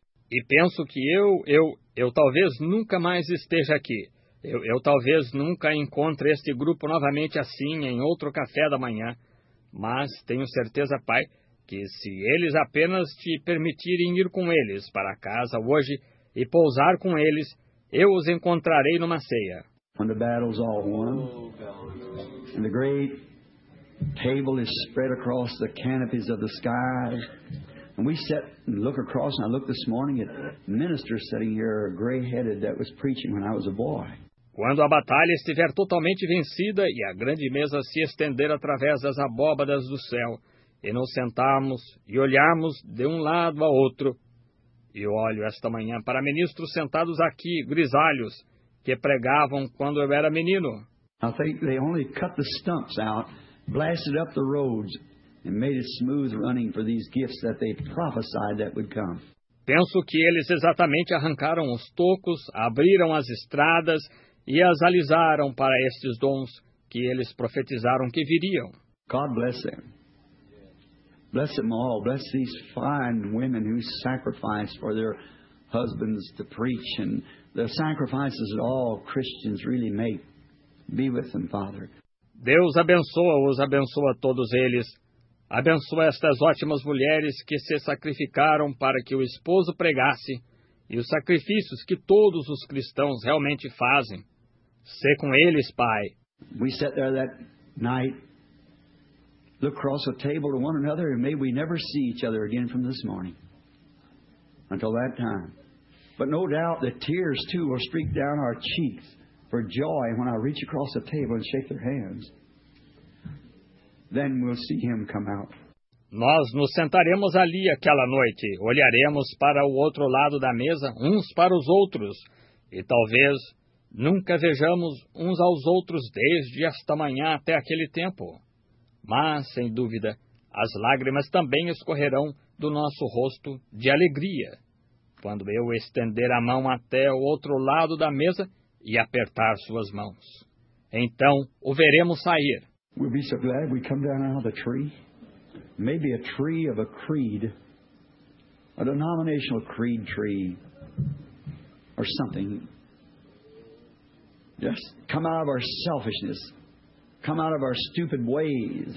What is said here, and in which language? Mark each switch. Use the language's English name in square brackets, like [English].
[Portuguese] E penso que eu talvez nunca mais esteja aqui. Eu talvez nunca encontre este grupo novamente assim em outro café da manhã. Mas tenho certeza, Pai, que se eles apenas te permitirem ir com eles para casa hoje e pousar com eles, eu os encontrarei numa ceia. [English] When the battle's all won, and the great table is spread across the canopies of the sky, and we sit and look across, and I looked this morning at ministers sitting here, gray-headed, that was preaching when I was a boy. [Portuguese] Quando a batalha estiver totalmente vencida e a grande mesa se estender através das abóbadas do céu, e nos sentarmos e olharmos de um lado ao outro, e olho esta manhã para ministros sentados aqui, grisalhos, que pregavam quando eu era menino. [English] I think they only cut the stumps out, blasted up the roads, and made it smooth running for these gifts that they prophesied that would come. [Portuguese] Penso que eles exatamente arrancaram os tocos, abriram as estradas e as alisaram para estes dons que eles profetizaram que viriam. [English] God bless them. Bless them all. Bless these fine women who sacrificed for their husbands to preach and the sacrifices that all Christians really make. Be with them, Father. [Portuguese] Deus abençoa-os, abençoa todos eles. Abençoa estas ótimas mulheres que se sacrificaram para que o esposo pregasse e os sacrifícios que todos os cristãos realmente fazem. Sê com eles, Pai. [English] We sat there that night, looked across the table to one another, and may we never see each other again from this morning. Until that time. But no doubt the tears too will streak down our cheeks for joy when I reach across the table and shake their hands. Then we'll see him come out. [Portuguese] Nós nos sentaremos ali aquela noite, olharemos para o outro lado da mesa, uns para os outros, e talvez nunca vejamos uns aos outros desde esta manhã até aquele tempo. Mas, sem dúvida, as lágrimas também escorrerão do nosso rosto de alegria, quando eu estender a mão até o outro lado da mesa e apertar suas mãos. Então, o veremos sair. [English] We'll be so glad we come down out of the tree. Maybe a tree of a creed. A denominational creed tree. Or something. Just come out of our selfishness. Come out of our stupid ways.